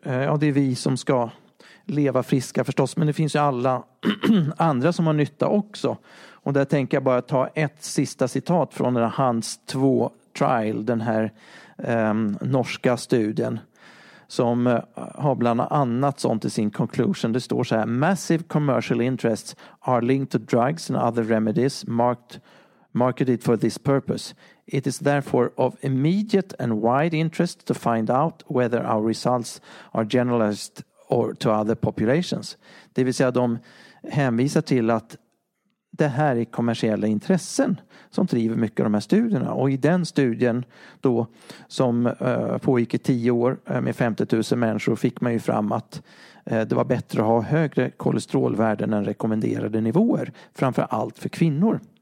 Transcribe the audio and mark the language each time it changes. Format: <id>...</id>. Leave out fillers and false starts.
<sv>Ja, det är vi som ska leva friska förstås. Men det finns ju alla andra som har nytta också. Och där tänker jag bara ta ett sista citat från den här Hans 2-trial. Den här norska studien. Som har bland annat sånt i sin conclusion. Det står så här:</sv> <en>massive commercial interests are linked to drugs and other remedies marketed for this purpose. It is therefore of immediate and wide interest to find out whether our results are generalized or to other populations.</en> <sv>Det vill säga, de hänvisar till att det här är kommersiella intressen som driver mycket av de här studierna. Och i den studien då, som pågick i 10 år med 50 000 människor, fick man ju fram att det var bättre att ha högre kolesterolvärden än rekommenderade nivåer, framför allt för kvinnor.</sv>